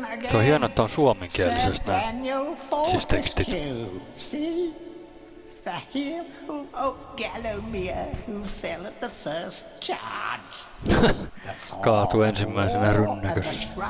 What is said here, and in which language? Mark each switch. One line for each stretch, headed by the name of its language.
Finnish: Se on hieno, että on suomenkielisestä nää. Siis tekstit.
English: See? The hero of Gallimere who fell at the first charge.
Finnish: Kaatu ensimmäisenä rynnäkössä.